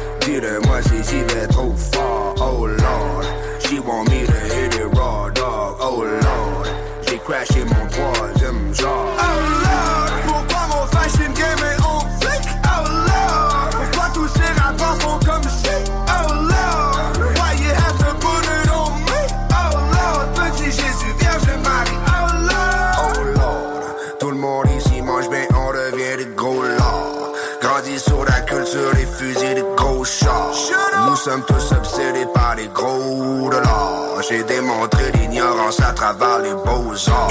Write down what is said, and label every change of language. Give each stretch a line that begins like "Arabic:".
French: Dis-le-moi si j'y vais trop fort, oh Lord.
English: She want me to hit it raw, dog, oh Lord.
French: J'ai crashé mon troisième jar. Oh Lord, pourquoi mon fashion game est on flic? Oh Lord, pourquoi tous ces rappeurs font comme si?
English: Oh Lord, why you have to put it on me?
French: Oh Lord, petit Jésus, Vierge Marie. Oh Lord, oh Lord, tout le monde ici mange bien, on devient des gros lords. Grandis sur la culture des fusils de gros chars. Nous sommes tous obsédés par les gros dollars. J'ai démontré l'ignorance à travers les beaux-arts.